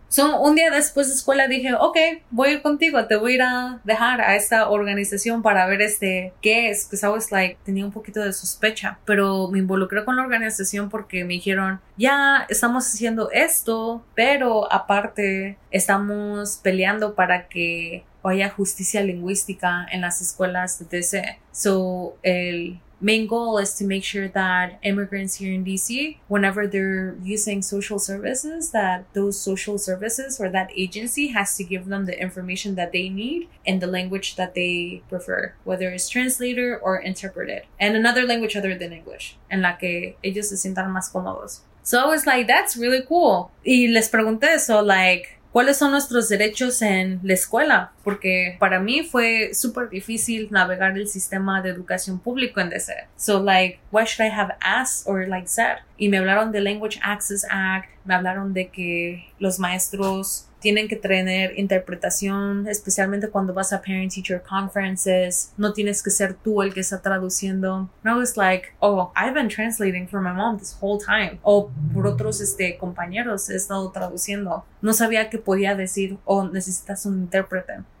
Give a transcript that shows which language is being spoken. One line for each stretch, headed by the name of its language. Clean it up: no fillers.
Spanish: So, un día después de escuela dije, ok, voy a ir contigo, te voy a ir a dejar a esta organización para ver qué es.
English: Because I was like,
Spanish: tenía un poquito de sospecha. Pero me involucré con la organización porque me dijeron, ya estamos haciendo esto, pero aparte estamos peleando para que o haya justicia lingüística en las escuelas de DC.
English: So, el main goal is to make sure that immigrants here in DC, whenever they're using social services, that those social services or that agency has to give them the information that they need in the language that they prefer, whether it's translated or interpreted, and another language other than English,
Spanish: en la que ellos se sientan más cómodos.
English: So, I was like, that's really cool.
Spanish: Y les pregunté eso,
English: like,
Spanish: ¿cuáles son nuestros derechos en la escuela? Porque para mí fue súper difícil navegar el sistema de educación público en DC.
English: So, like, what should I have asked or, like, said?
Spanish: Y me hablaron de Language Access Act, me hablaron de que los maestros tienen que tener interpretación, especialmente cuando vas a parent-teacher conferences. No tienes que ser tú el que está traduciendo.
English: And I was like, oh, I've been translating for my mom this whole time.
Spanish: O por otros compañeros he estado traduciendo. No sabía que podía decir, oh, necesitas un intérprete.